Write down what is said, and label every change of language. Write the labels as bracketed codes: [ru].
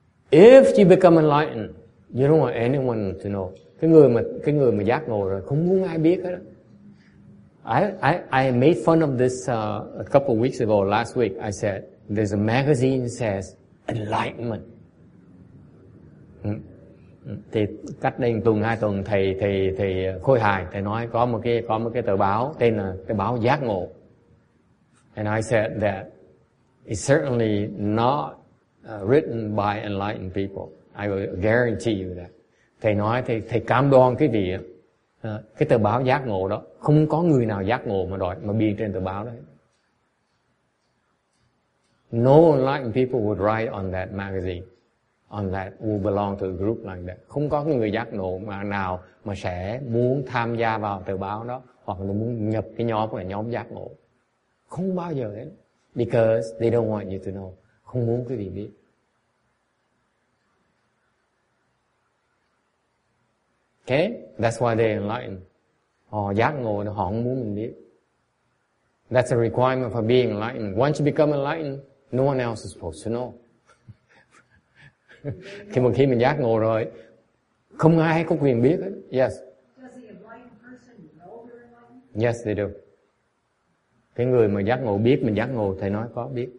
[en] If you become enlightened, you don't want anyone to know. [vi] Cái người mà giác ngộ rồi, không muốn ai biết hết. [en] I made fun of this a couple of weeks ago, last week. I said, there's a magazine that says enlightenment. [vi] Thì cách đây tuần, hai tuần, thầy Khôi Hài, thầy nói có một cái tờ báo, tên là tờ báo giác ngộ. [en] And I said that it's certainly not written by enlightened people. I will guarantee you that. [vi] Thầy nói, thầy cam đoan cái gì á, cái tờ báo giác ngộ đó, không có người nào giác ngộ mà biên trên tờ báo đấy. [en] No enlightened people would write on that magazine, on that will belong to a group like that. [vi] Không có người giác ngộ nào mà sẽ muốn tham gia vào tờ báo đó, hoặc là muốn nhập cái nhóm là nhóm giác ngộ. Không bao giờ hết. [en] Because they don't want you to know. [vi] Không muốn cái gì biết. [en] Okay, that's why they're enlightened. [vi] Họ giác ngộ, họ không muốn mình biết. [en] That's a requirement for being enlightened. Once you become enlightened, no one else is supposed to know. [vi] Khi mà mình giác ngộ rồi, không ai có quyền biết hết. [en] Yes. Does the enlightened person know they're enlightened? Yes, they do. [vi] Cái người mà giác ngộ biết mình giác ngộ, thầy nói có biết.